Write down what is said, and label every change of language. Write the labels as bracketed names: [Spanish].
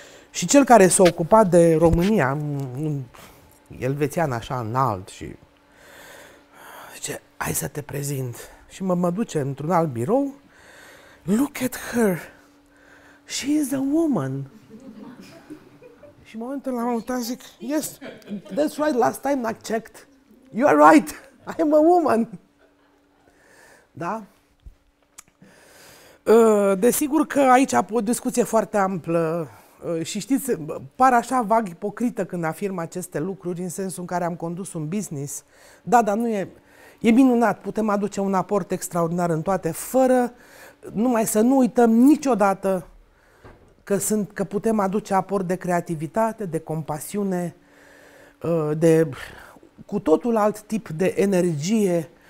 [Romanian] Și cel care s-a ocupat de România, un elvețian așa înalt, și zice, hai să te prezint. Și mă duce într-un alt birou. [English] Look at her. She is a woman. [Romanian] Și în momentul ăla m-am uitat, zic, [English] yes, that's right, last time I checked. You are right, I am a woman. [Romanian] Da? Desigur că aici o discuție foarte amplă și știți, par așa vag ipocrită când afirm aceste lucruri, în sensul în care am condus un business. Da, dar nu e minunat, putem aduce un aport extraordinar în toate, fără numai să nu uităm niciodată că putem aduce aport de creativitate, de compasiune, de cu totul alt tip de energie.